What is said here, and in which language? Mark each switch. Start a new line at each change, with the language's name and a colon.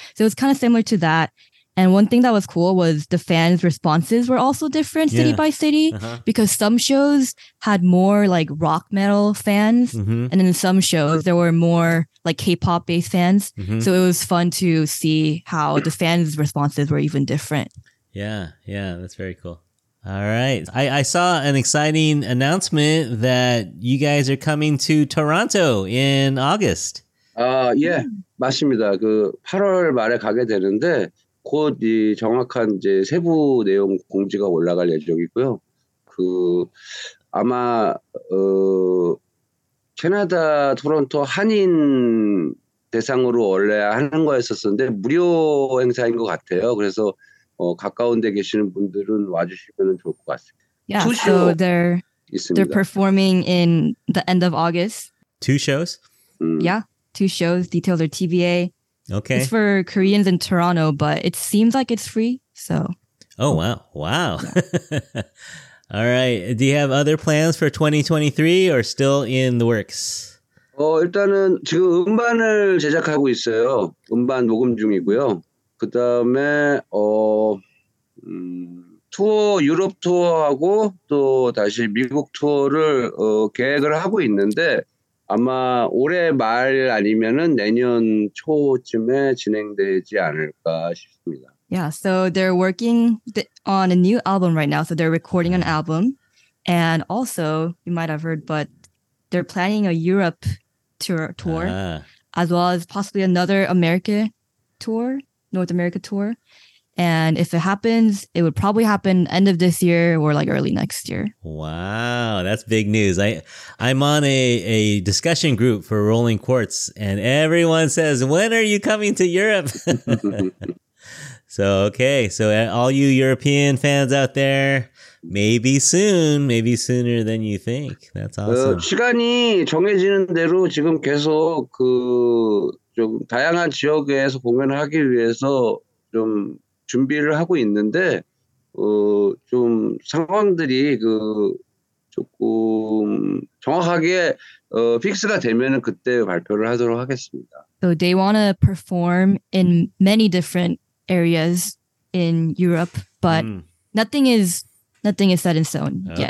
English: So it's kind of similar to that. And one thing that was cool was the fans' responses were also different city by city because some shows had more like rock metal fans and in some shows there were more like K-pop based fans. Mm-hmm. So it was fun to see how the fans' responses were even different. Yeah, that's very cool. All right. I saw an exciting announcement that you guys are coming to Toronto in August.
Korean: 맞습니다. 그 8월 말에 가게 되는데 곧 이 정확한 이제 세부 내용 공지가 올라갈 예정이고요. 그 아마 캐나다 토론토 한인 대상으로 원래 하는 거였었는데 무료 행사인 것 같아요. 그래서 가까운 데 계시는 분들은 와주시면 좋을 것 같습니다.
English: Yeah, so they're performing in the end of August. Two shows? Yeah, two shows. Details are TBA. Okay. It's for Koreans in Toronto, but it seems like it's free, so. Oh, wow. Wow. Yeah. All right. Do you have other plans for 2023 or still in the works?
Korean: 일단은 지금 음반을 제작하고 있어요. 음반 녹음 중이고요. 그다음에 투어 유럽 투어하고 또 다시 미국 투어를 계획을 하고 있는데 아마 올해 말 아니면은 내년 초쯤에 진행되지 않을까 싶습니다.
English: Yeah, so they're working on a new album right now. So they're recording an album. And also, you might have heard, but they're planning a Europe tour as well as possibly another America tour, North America tour. And if it happens, it would probably happen end of this year or like early next year. Wow, that's big news. I'm on a discussion group for Rolling Quartz and everyone says, when are you coming to Europe? So, okay. So all you European fans out there, maybe soon, maybe sooner than you think. That's awesome.
Korean: 시간이 정해지는 대로 지금 계속 그 좀 다양한 지역에서 공연을 하기 위해서 좀 준비를 하고 있는데 좀 상황들이 그 조금 정확하게 픽스가 되면은 그때 발표를 하도록 하겠습니다.
English: So they want to perform in many different areas in Europe, but nothing is set in stone yet.